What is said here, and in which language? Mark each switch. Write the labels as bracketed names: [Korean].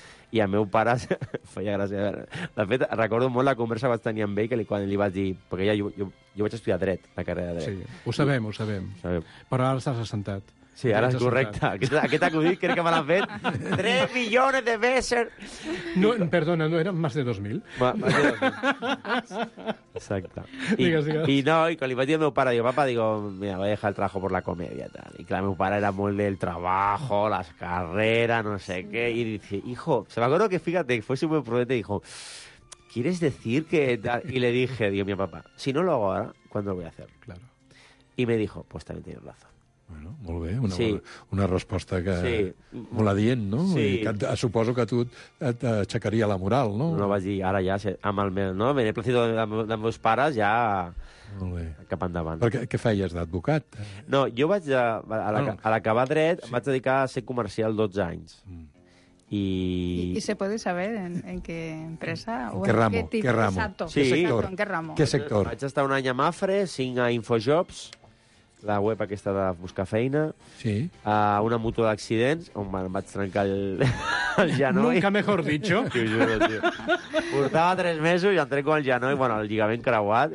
[Catalan] I el meu pare feia gràcia. De fet, recordo molt la conversa que vaig tenir amb ell, que quan li vaig dir... Perquè ja jo vaig estudiar dret, la carrera de dret. Sí, ho sabem, ho sabem. Però ara estàs assentat. Sí, ara és correcte. Aquest acudit crec que me l'han fet 3 milions de veces. No, perdona, no eren més de 2.000. Exacte. I quan li vaig dir al meu pare, digo, papa, digo, mira, [Spanish] voy a dejar el trabajo por la comedia. [Catalan] Tal. I clar, meu pare era molt del [Spanish] trabajo, las carreras, [Catalan] no sé què. [Spanish] I dice, hijo, se me acuerdo que, fíjate, fue súper prudente, dijo, ¿quieres decir que...? Y le dije, digo, mi papa, si no lo hago ahora, ¿cuándo lo voy a hacer? Claro. Y me dijo, pues también tienes razón. [Catalan] Bueno, molt bé, una resposta que molt adient, no? Sí. Suposo que a tu et aixecaria la moral, no? No vaig dir, ara ja, amb el meu... No, me n'he placido de meus pares, ja... Molt bé. Cap endavant. Però què feies, d'advocat? No, jo vaig... A l'acabar dret, sí, em vaig dedicar a ser comercial 12 anys. [Spanish] I se puede saber en qué empresa? En qué ramo, en qué ramo. Sí. Sector, en qué ramo. [Catalan] Què sector? Vaig estar un any a Mafre, 5 a Infojobs, la web aquesta de buscar feina, sí, a una moto d'accidents, on em vaig trencar el genoll. [Spanish] Nunca mejor dicho. [Catalan] Tio, juro, tio. Portava 3 mesos i em trenco el genoll, bueno, el lligament creuat.